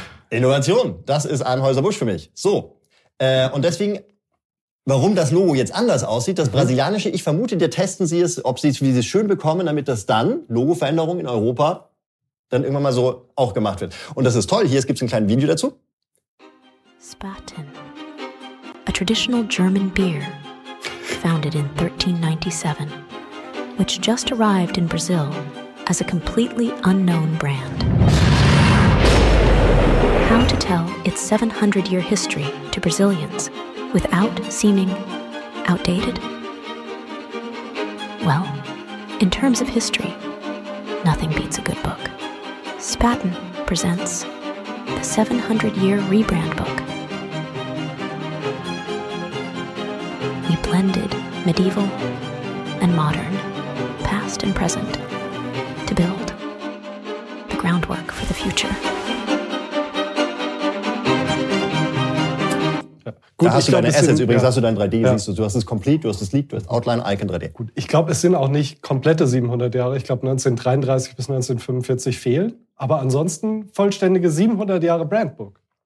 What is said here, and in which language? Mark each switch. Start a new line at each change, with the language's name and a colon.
German: Innovation, das ist Anheuser-Busch für mich. So, und deswegen, warum das Logo jetzt anders aussieht, das Brasilianische, ich vermute, dir testen sie es, ob sie es schön bekommen, damit das dann, Logoveränderung in Europa, dann irgendwann mal so auch gemacht wird. Und das ist toll. Hier gibt es ein kleines Video dazu. Spaten.
English: A traditional German beer. Founded in 1397. Which just arrived in Brazil as a completely unknown brand. How to tell its 700-year history to Brazilians without seeming outdated? Well, in terms of history, nothing beats a good book. Spaten presents the 700-year rebrand book. We blended medieval and modern, past and present, to build the groundwork for the future.
German: Ja. Gut, da hast du deine Assets übrigens, ja. Hast du dein 3D, ja. Siehst du, du hast es Complete, du hast es Leak, du hast Outline, Icon 3D. Gut, ich glaube, es sind auch nicht komplette 700 Jahre. Ich glaube, 1933 bis 1945 fehlen. Aber ansonsten vollständige 700 Jahre Brandbook.